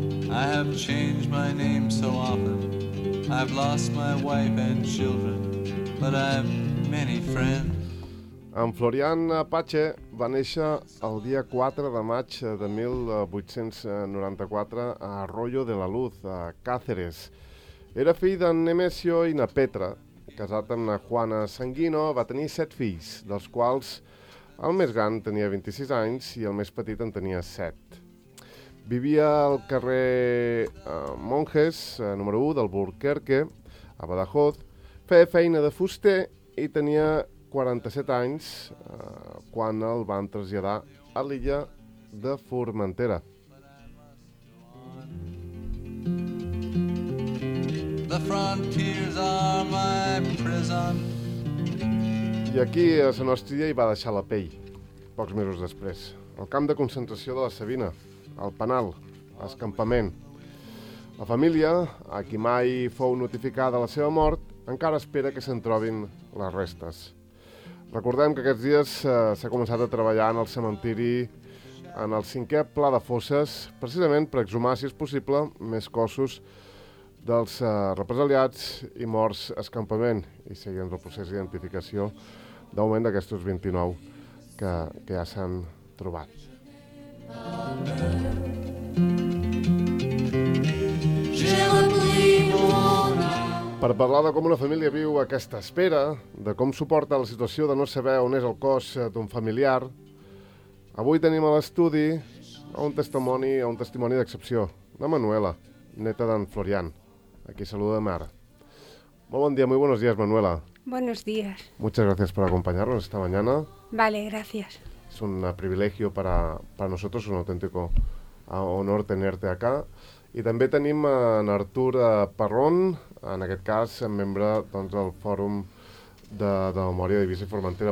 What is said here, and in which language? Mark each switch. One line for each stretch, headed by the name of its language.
English: I have changed my name so often. I've lost my wife and children, but I have many friends.
Catalan: En Florian Apache va néixer el dia 4 de maig de 1894 a Arroyo de la Luz, a Cáceres. Era fill d'en Nemesio i na Petra. Casat amb na Juana Sanguino, va tenir 7 fills, dels quals el més gran tenia 26 anys i el més petit en tenia 7. Vivia al carrer Monjes, número 1 del Burquerque, a Badajoz, feia feina de fuster i tenia 47 anys quan el van traslladar a l'illa de Formentera.
English: The frontiers are my prison.
Catalan: I aquí a la nostra illa hi va deixar la pell, pocs mesos després. El camp de concentració de la Sabina, el penal, l'escampament. La família, a qui mai fou notificada la seva mort, encara espera que se'n trobin les restes. Recordem que aquests dies s'ha començat a treballar en el cementiri en el cinquè pla de fosses, precisament per exhumar, si és possible, més cossos dels represaliats i morts escampament i seguint el procés d'identificació d'augment d'aquestos 29 que ja s'han trobat. Per parlar de com una família viu aquesta espera, de com suporta la situació de no saber on és el cos d'un familiar, avui tenim a l'estudi un testimoni d'excepció, de Manuela, neta d'en Florian. Aquí saluda mare. Molt bon dia,
Spanish: muy buenos días,
Catalan: Manuela.
Spanish: Buenos días. Muchas gracias por acompañarnos esta mañana. Vale, gracias. Es un privilegio para nosotros, un auténtico honor tenerte acá.
Catalan: I també tenim en Artur Parrón, en aquest cas, membre doncs, del Fòrum de Memòria de Divisa i Formentera.